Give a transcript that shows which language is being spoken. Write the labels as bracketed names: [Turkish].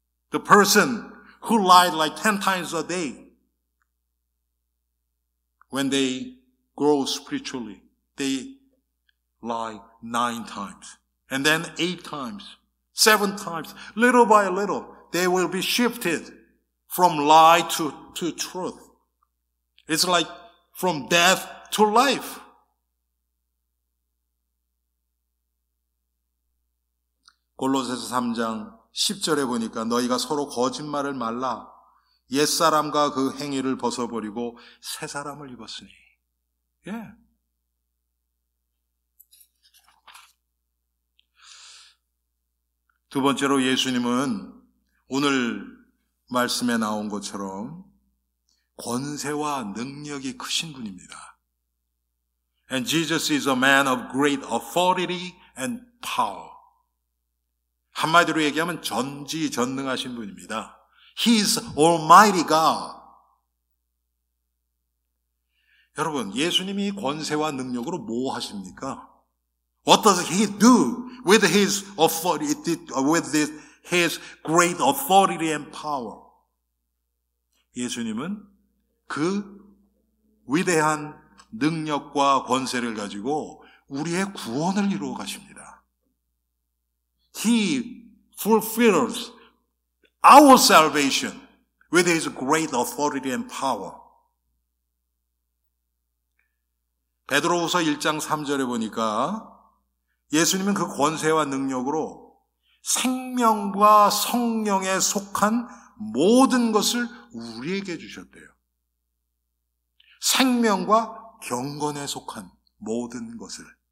[English] The person who lied like 10 times a day, when they grow spiritually, they lie 9 times, and then 8 times, 7 times, little by little, they will be shifted from lie to truth. It's like from death to life. [Korean] 골로새서 3장 10절에 보니까 너희가 서로 거짓말을 말라. 옛사람과 그 행위를 벗어버리고 새사람을 입었으니. 예. Yeah. 두 번째로 예수님은 오늘 말씀에 나온 것처럼 권세와 능력이 크신 분입니다. [English] And Jesus is a man of great authority and power. [Korean] 한마디로 얘기하면 전지전능하신 분입니다. [English] He is Almighty God. [Korean] 여러분, 예수님이 권세와 능력으로 뭐 하십니까? [English] What does he do with his authority, with his great authority and power? [Korean] 예수님은 그 위대한 능력과 권세를 가지고 우리의 구원을 이루어 가십니다. [English] He fulfills our salvation with his great authority and power. [Korean] 베드로후서 1장 3절에 보니까 예수님은 그 권세와 능력으로 생명과 성령에 속한 모든 것을 우리에게 주셨대요. 생명과 경건에 속한 모든 것을.